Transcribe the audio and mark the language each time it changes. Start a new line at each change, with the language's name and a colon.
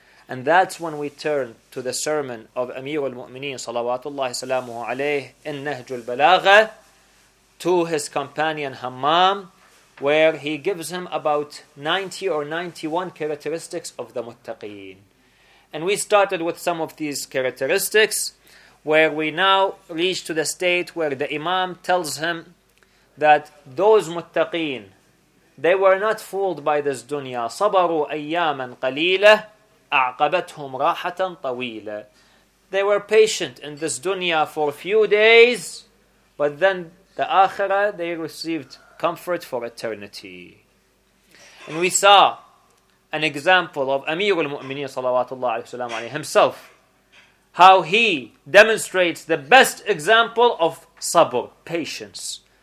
English: And that's when we turn to the sermon of Amir al-Mu'mineen, salawatullahi salamuhu alayh, in Nahj al-Balagha, to his companion Hammam, where he gives him about 90 or 91 characteristics of the muttaqeen. And we started with some of these characteristics, where we now reach to the state where the imam tells him that those muttaqeen, they were not fooled by this dunya.
Arabic: صَبَرُوا أَيَّامًا قَلِيلًا أَعْقَبَتْهُمْ رَاحَةً طَوِيلًا.
English: They were patient in this dunya for a few days, but then the akhirah, they received comfort for eternity. And we saw an example of Amir al-Mu'mineen, salawatullah alayhi salam alayhi, himself, how he demonstrates the best example of sabr, patience.